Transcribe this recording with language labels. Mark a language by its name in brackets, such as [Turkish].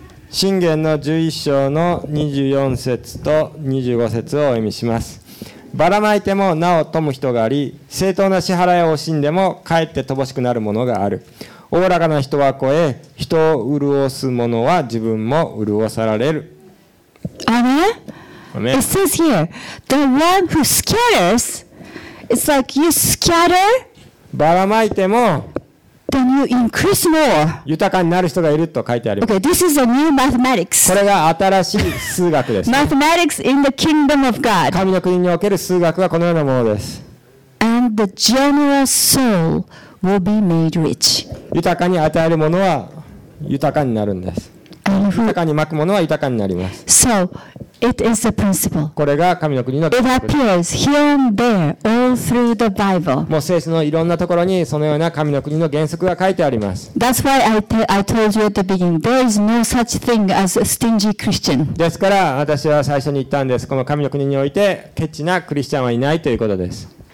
[Japanese] 箴言の11章の24節と25節をお読みします。ばらまいてもなお富む人があり、正当な支払いを惜しんでもかえって乏しくなるものがある。おおらかな人は肥え、人を潤す者は自分も潤される。アメン。 [English] It says here, the one who scatters, it's like you scatter, [Japanese] ばらまいても、 [English] then you increase more. [Japanese] 豊かになる人がいると書いてあります。 [English] Okay, this is a new mathematics. [Japanese] これが新しい数学です、ね。 [English] Mathematics in the kingdom of God. [Japanese] 神の国における数学はこのようなものです。 [English] And the generous soul. Will be made rich. [Japanese] 豊かに与えるものは豊かになるんです。豊かにまくものは豊かになります。 [English] So, it is a principle. [Japanese] これが神の国の [English] principle. It appears here and there all through the Bible. [Japanese] もう聖書のいろんなところにそのような神の国の原則が書いてあります。 [English] That's why I told you at the beginning, there is no such thing as a stingy Christian. [Japanese] ですから私は最初に言ったんです。この神の国においてケチなクリスチャンはいないということです。